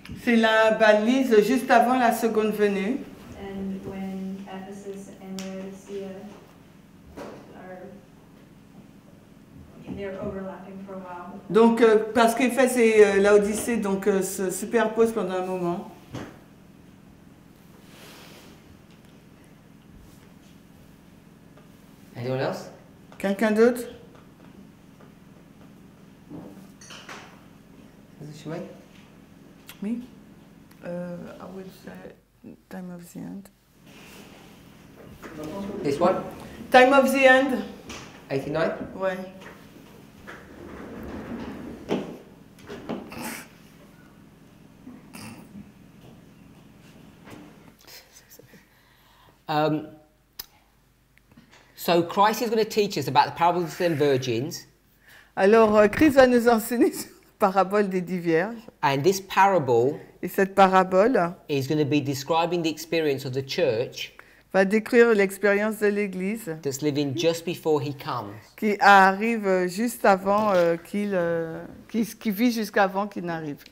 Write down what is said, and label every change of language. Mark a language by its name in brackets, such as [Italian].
[French] C'est la balise juste avant la seconde venue. [English] And when Ephesus and Laodicea are, they're overlapping for a while. [French] Donc parce qu'Éphèse et Laodicée donc se superposent pendant un moment. [English] Anyone else? [French] Quelqu'un d'autre? [English] Me? I would say time of the end. This one? Time of the end. 89? Why? So Christ is going to teach us about the parable of the ten virgins. [French] Alors, Christ va nous enseigner parabole des dix vierges. [English] And this parable, [French] et cette parabole, [English] is going to be describing the experience of the church, [French] va décrire l'expérience de l'église, [English] that's living just before he comes, [French] qui arrive juste avant qui vit jusqu'avant qu'il n'arrive.